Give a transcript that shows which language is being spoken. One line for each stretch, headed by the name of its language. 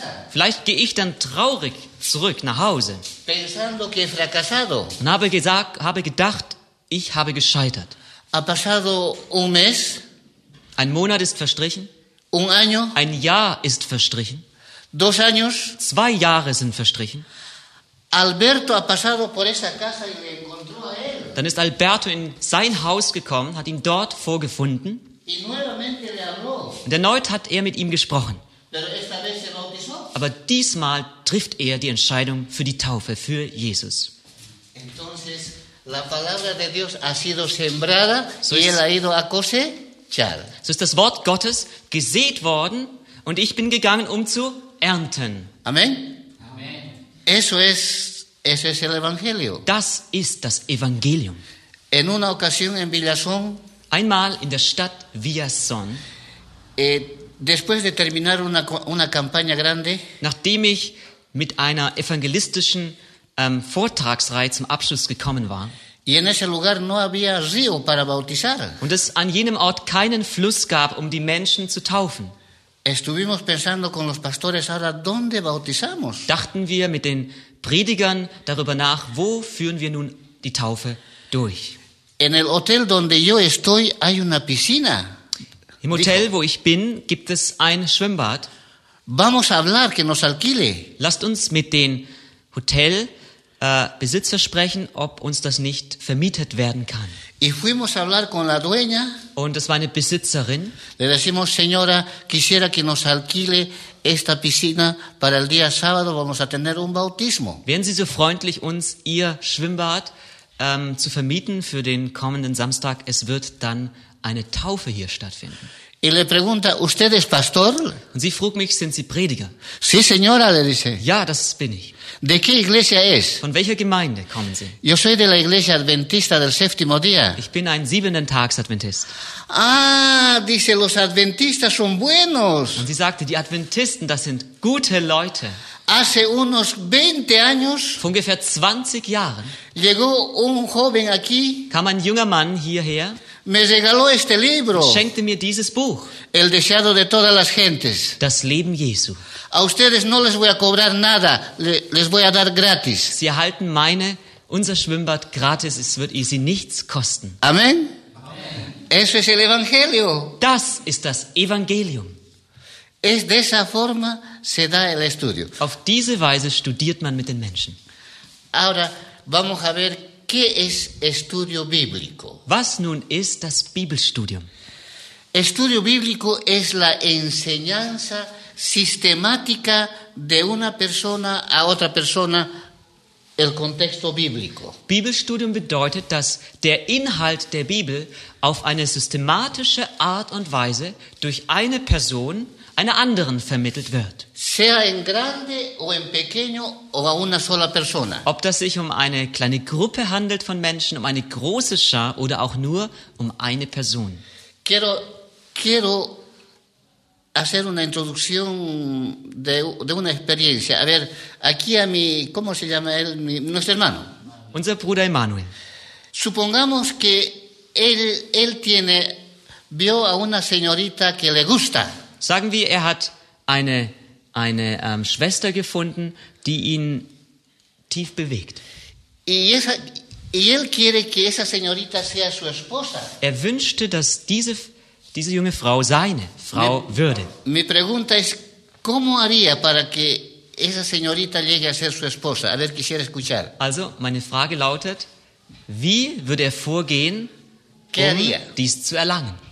German: Vielleicht gehe ich dann traurig zurück nach Hause und habe gedacht, ich habe gescheitert. Ein Monat ist verstrichen. Ein Jahr ist verstrichen. 2 Jahre sind verstrichen.
Spanish: Alberto ha pasado por esa casa y le encontró a él.
German: Dann ist Alberto in sein Haus gekommen, hat ihn dort vorgefunden.
Spanish: Y nuevamente le habló.
German: Und erneut hat mit ihm gesprochen.
Spanish: Pero esta vez se bautizó.
German: Aber diesmal trifft die Entscheidung für die Taufe, für Jesus.
Spanish: Entonces, la palabra de Dios ha sido sembrada y él ha ido a cosechar.
German: So ist das Wort Gottes gesät worden und ich bin gegangen, zu ernten.
Spanish: Amen. Eso es el Evangelio.
German: Das ist das Evangelium.
Spanish: En una ocasión en Villazón,
German: einmal in der Stadt Villazón,
Spanish: después de terminar una campaña grande,
German: nachdem ich mit einer evangelistischen Vortragsreihe zum Abschluss gekommen war,
Spanish: y en ese lugar no había río para bautizar,
German: und es an jenem Ort keinen Fluss gab, die Menschen zu taufen,
Spanish: estuvimos pensando con los pastores ahora dónde bautizamos.
German: Dachten wir mit den Predigern darüber nach, wo führen wir nun die Taufe durch.
Spanish: En el hotel donde yo estoy hay una piscina.
German: Im Hotel, wo ich bin, gibt es ein Schwimmbad.
Spanish: Vamos a hablar que nos alquile.
German: Lasst uns mit den Hotelbesitzer sprechen, ob uns das nicht vermietet werden kann.
Spanish: Y fuimos a hablar con la dueña.
German: Und es war eine Besitzerin.
Spanish: Le decimos, señora, quisiera que nos alquile esta piscina para el día sábado, vamos a tener un bautismo.
German: Wären Sie so freundlich, uns Ihr Schwimmbad zu vermieten für den kommenden Samstag? Es wird dann eine Taufe hier stattfinden.
Spanish: Y le pregunta, ¿usted es pastor?
German: Und sie frug mich, sind Sie Prediger?
Spanish: Sí, señora, le dice.
German: Ja, das bin ich.
Spanish: ¿De qué iglesia es?
German: Von welcher Gemeinde kommen Sie?
Spanish: Yo soy de la iglesia adventista del séptimo día.
German: Ich bin ein siebenten Tags-Adventist.
Spanish: Ah, dice, los adventistas son buenos.
German: Und sie sagte, die Adventisten, das sind gute Leute.
Spanish: Hace unos 20 años,
German: vor ungefähr 20 Jahren,
Spanish: llegó un joven aquí,
German: kam ein junger Mann hierher,
Spanish: me regaló este libro.
German: Schenkte mir dieses Buch.
Spanish: El deseado de todas las gentes.
German: Das Leben Jesu.
Spanish: A ustedes no les voy a cobrar nada. Les voy a dar gratis.
German: Sie erhalten unser Schwimmbad gratis. Es wird Sie nichts kosten.
Spanish: Amen. Eso es el Evangelio.
German: Das ist das Evangelium.
Spanish: Es de esa forma se da el estudio.
German: Auf diese Weise studiert man mit den Menschen.
Spanish: Ahora vamos a ver. ¿Qué es estudio bíblico?
German: Was nun ist das Bibelstudium?
Spanish: Estudio bíblico es la enseñanza sistemática de una persona a otra persona el contexto bíblico.
German: Bibelstudium bedeutet, dass der Inhalt der Bibel auf eine systematische Art und Weise durch eine Person einer anderen vermittelt wird.
Spanish: Sea en grande o en pequeño o a una sola persona.
German: Ob das sich eine kleine Gruppe handelt von Menschen, eine große Schar oder auch nur eine Person.
Spanish: Quiero hacer una introducción de una experiencia. A ver, aquí a mi, ¿cómo se llama él? Nuestro hermano.
German: Unser Bruder Emanuel.
Spanish: Supongamos que él tiene, vio a una señorita que le gusta.
German: Sagen wir, er hat eine Schwester gefunden, die ihn tief bewegt.
Spanish: Y él quiere que esa señorita sea su esposa.
German: Er wünschte, dass diese junge Frau seine Frau würde.
Spanish: Mi pregunta es, ¿cómo haría para que esa señorita llegue a ser su esposa? A ver, quisiera escuchar.
German: Also, meine Frage lautet, wie würde er vorgehen, dies zu erlangen?